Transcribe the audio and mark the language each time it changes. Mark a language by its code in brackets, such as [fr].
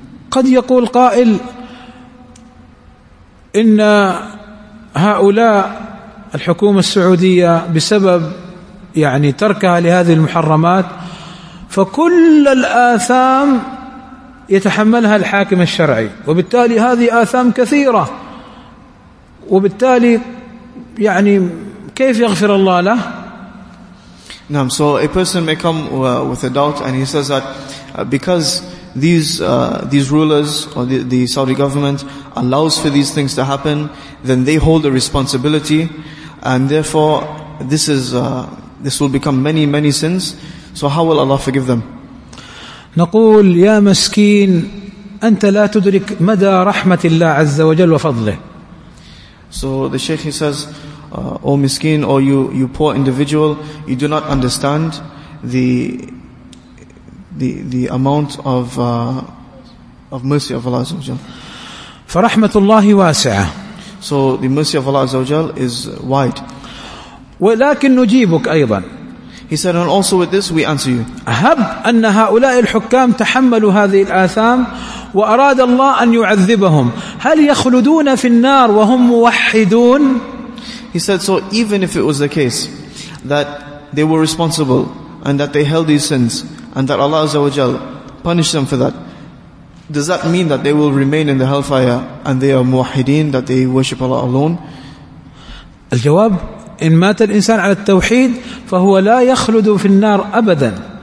[ar] قد يقول قائل إن هؤلاء الحكومة السعودية بسبب يعني تركها لهذه المحرمات فكل الآثام يتحملها الحاكم الشرعي وبالتالي هذه آثام كثيرة وبالتالي يعني كيف يغفر الله له؟ نعم. [en] So a person may come with a doubt and he says that because these rulers or the Saudi government allows for these things to happen, then they hold a responsibility, and therefore this will become many many sins. So how will Allah forgive them? [ar] نقول يا مسكين أنت لا تدرك مدى رحمة الله عز وجل وفضله. [en] So the Sheikh he says, O miskeen, or you poor individual, you do not understand the amount of mercy of Allah Azza wa Jal. [ar] فرحمة الله واسعة. [en] So the mercy of Allah Azza wa Jal is wide. [ar] ولكن نجيبك أيضا. [en] He said, and also with this we answer you. [ar] هب أن هؤلاء الحكام تحملوا هذه الآثام وأراد الله أن يعذبهم هل يخلدون في النار وهم موحدون؟ [en] He said, so even if it was the case that they were responsible and that they held these sins and that Allah Azza wa Jal punished them for that, does that mean that they will remain in the hellfire and they are muwahideen, that they worship Allah alone? [ar] الجواب إن مات الإنسان على التوحيد فهو لا يخلد في النار أبدا.